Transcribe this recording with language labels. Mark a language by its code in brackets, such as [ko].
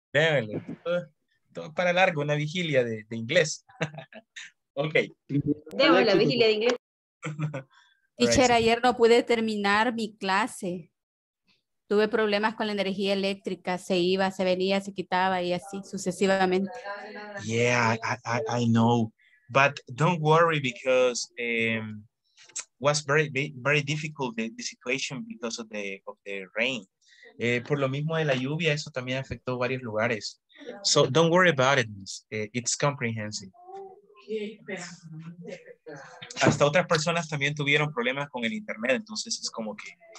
[es] Démosle. Todo para largo, una vigilia de inglés. Ok. Démosle la vigilia de inglés. Teacher, ayer no pude terminar mi clase. Tuve problemas con la energía eléctrica, se iba, se venía, se quitaba y así sucesivamente. [en] Yeah, I know. But don't worry because was very, very difficult the situation because of the rain. [es] Por lo mismo de la lluvia, eso también afectó varios lugares. [en] So don't worry about it, it's comprehensive. [es] Hasta otras personas también tuvieron problemas con el internet, entonces es como que...